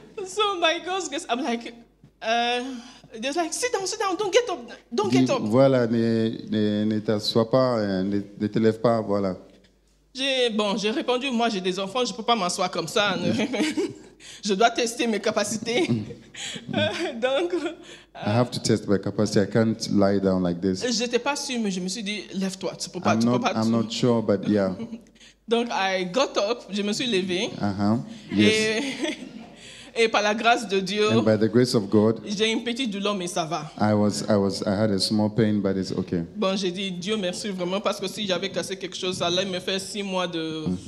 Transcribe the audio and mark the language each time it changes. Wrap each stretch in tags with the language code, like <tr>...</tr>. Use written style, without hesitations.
<en>So my girls, guess, I'm like, they're like, sit down, don't get up.</en> <fr>Voilà, ne t'assois pas, ne te lève pas, voilà. J'ai répondu, moi j'ai des enfants, je peux pas m'asseoir comme ça. Yeah. Je dois tester mes capacités. Donc,</fr> <en>I have to test my capacity. I can't lie down like this.</en> <fr>J'étais pas sûr, mais je me suis dit, lève-toi, tu peux pas.</fr> <en>I'm not sure, but yeah.</en> <fr>Donc,</fr> <en>I got up,</en> <fr>je me suis levé.</fr> <en>Uh-huh. Yes.</en> <fr>Et par la grâce de Dieu.</fr> <en>And by the grace of God.</en> <fr>J'ai une petite douleur, mais ça va.</fr> <en>I had a small pain, but it's okay.</en> <fr>Bon, j'ai dit, Dieu merci vraiment, parce que si j'avais cassé quelque chose, ça allait me faire 6 mois de.</fr>